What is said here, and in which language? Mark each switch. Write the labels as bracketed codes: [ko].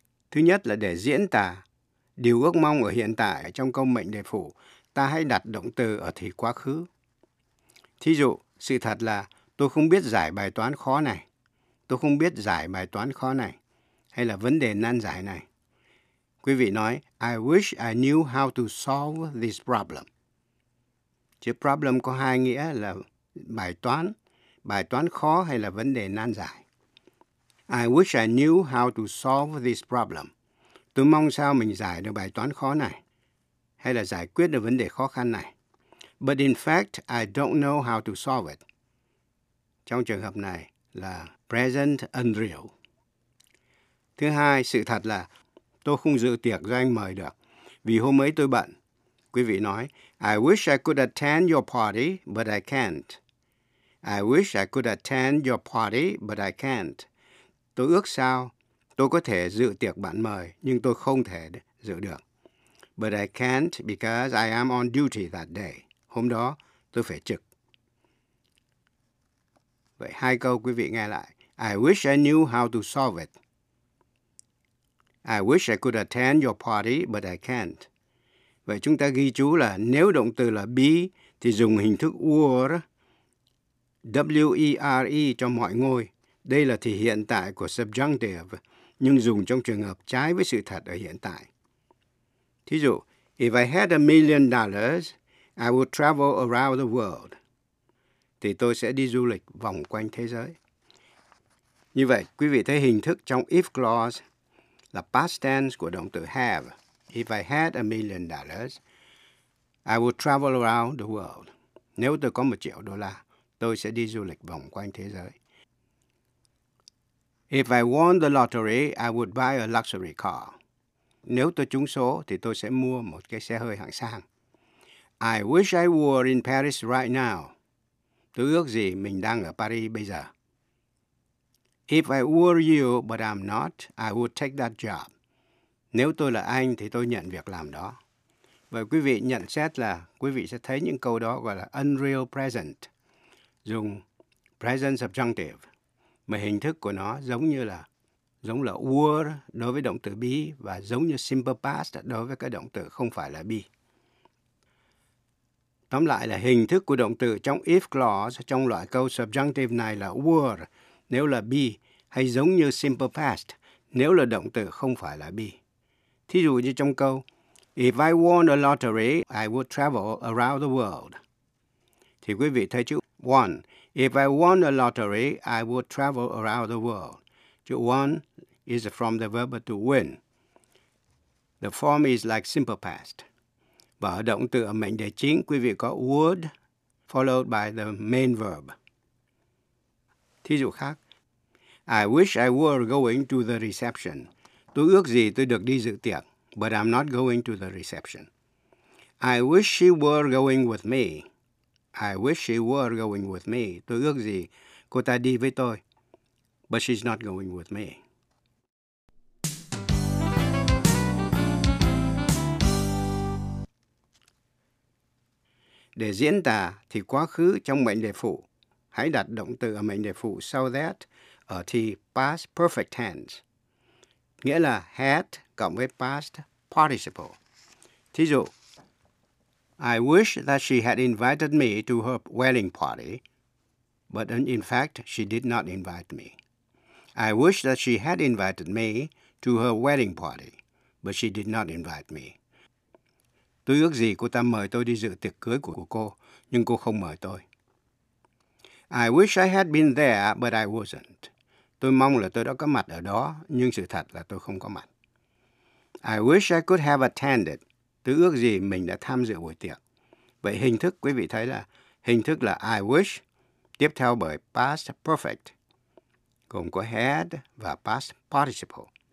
[vi] Thứ nhất là để diễn tả điều ước mong ở hiện tại trong câu mệnh đề phụ, ta hãy đặt động từ ở thì quá khứ. Thí dụ, sự thật là tôi không biết giải bài toán khó này. Tôi không biết giải bài toán khó này, hay là vấn đề nan giải này. Quý vị nói, [en] I wish I knew how to solve this problem. [vi] Chứ problem có hai nghĩa là bài toán khó hay là vấn đề nan giải. [en] I wish I knew how to solve this problem. [vi] Tôi mong sao mình giải được bài toán khó này, hay là giải quyết được vấn đề khó khăn này. [en] But in fact, I don't know how to solve it. [vi] Trong trường hợp này là present unreal. Thứ hai, sự thật là tôi không dự tiệc do anh mời được vì hôm ấy tôi bận. Quý vị nói, [en] I wish I could attend your party, but I can't. I wish I could attend your party, but I can't. [vi] Tôi ước sao tôi có thể dự tiệc bạn mời, nhưng tôi không thể dự được. [en] But I can't because I am on duty that day. [vi] Hôm đó, tôi phải trực. Vậy hai câu quý vị nghe lại. [en] I wish I knew how to solve it. I wish I could attend your party, but I can't. [vi] Vậy chúng ta ghi chú là nếu động từ là be thì dùng hình thức were, W-E-R-E cho mọi ngôi. Đây là thì hiện tại của subjunctive, nhưng dùng trong trường hợp trái với sự thật ở hiện tại. Thí dụ, [en] if I had $1,000,000, I would travel around the world. [vi] Thì tôi sẽ đi du lịch vòng quanh thế giới. Như vậy, quý vị thấy hình thức trong if clause là past tense của động từ have. [en] If I had $1,000,000, I would travel around the world. [vi] Nếu tôi có $1,000,000, tôi sẽ đi du lịch vòng quanh thế giới. [en] If I won the lottery, I would buy a luxury car. [vi] Nếu tôi trúng số, thì tôi sẽ mua một cái xe hơi hạng sang. [en] I wish I were in Paris right now. [vi] Tôi ước gì mình đang ở Paris bây giờ. [en] If I were you, but I'm not, I would take that job. [vi] Nếu tôi là anh, thì tôi nhận việc làm đó. Vậy quý vị nhận xét là, quý vị sẽ thấy những câu đó gọi là unreal present. Dùng present subjunctive. mà hình thức của nó giống là were đối với động từ be và giống như simple past đối với cái động từ không phải là be. Tóm lại là hình thức của động từ trong if clause trong loại câu subjunctive này là were nếu là be hay giống như simple past nếu là động từ không phải là be. Thí dụ như trong câu [en] If I won a lottery, I would travel around the world. [vi] Thì quý vị thấy chữ [en] won. If I won a lottery, I would travel around the world. Chữ won is from the verb to win. The form is like simple past. [vi] Và ở động từ ở mệnh đề chính, quý vị có [en] would followed by the main verb. [vi] Thí dụ khác. [en] I wish I were going to the reception. [vi] Tôi ước gì tôi được đi dự tiệc. [en] But I'm not going to the reception. I wish she were going with me. I wish she were going with me. [vi] Tôi ước gì cô ta đi với tôi. [en] But she's not going with me. [vi] Để diễn tả thì quá khứ trong mệnh đề phụ. Hãy đặt động từ ở mệnh đề phụ sau that ở thì past perfect tense. Nghĩa là had cộng với past participle. [en] Thí dụ, I wish that she had invited me to her wedding party, but in fact, she did not invite me. I wish that she had invited me to her wedding party, but she did not invite me. [vi] Tôi ước gì cô ta mời tôi đi dự tiệc cưới của cô, nhưng cô không mời tôi. [en] I wish I had been there, but I wasn't. [vi] Tôi mong là tôi đã có mặt ở đó, nhưng sự thật là tôi không có mặt. [en] I wish I could have attended. [vi] Tôi ước gì mình đã tham dự buổi tiệc. Vậy hình thức quý vị thấy là hình thức là I wish tiếp theo bởi past perfect gồm có had và past participle.